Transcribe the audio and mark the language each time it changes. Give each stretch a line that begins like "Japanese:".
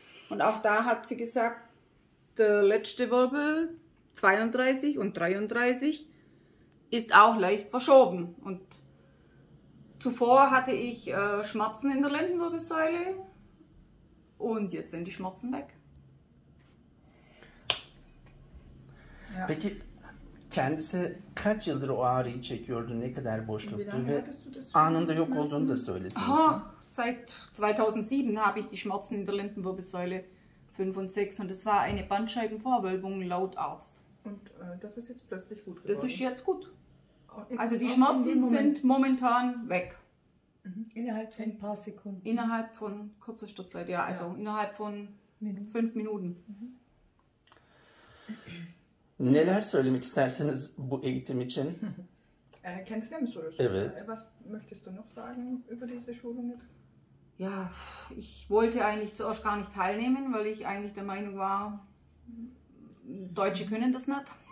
German: Und auch da hat sie gesagt, der letzte Wirbel, 32 und 33, ist auch leicht verschoben. Und zuvor hatte ich Schmerzen in der Lendenwirbelsäule und jetzt sind die Schmerzen weg. Ja.
Turkish: Peki, kendisi kaç yıldır o ağrıyı çekiyordu, ne kadar boşluktu ve anında yok olduğunu da söylesin.
German: Aha, seit 2007 habe ich die Schmerzen in der Lendenwirbelsäule 5 und 6 und es war eine Bandscheibenvorwölbung laut Arzt. Und das ist jetzt plötzlich gut geworden? Das ist jetzt gut. Also die Schmerzen sind momentan weg. Innerhalb von ein paar Sekunden? Innerhalb von kürzester Zeit, ja, also ja. Innerhalb von 5 Minuten.
Turkish: Neler söylemek istersiniz bu eğitim için? Kendisine mi soruyorsun? Evet.
German: Was möchtest du noch sagen über diese Schulung jetzt? Ja, ich wollte eigentlich zuerst gar nicht teilnehmen, weil ich eigentlich der Meinung war, Deutsche können das nicht.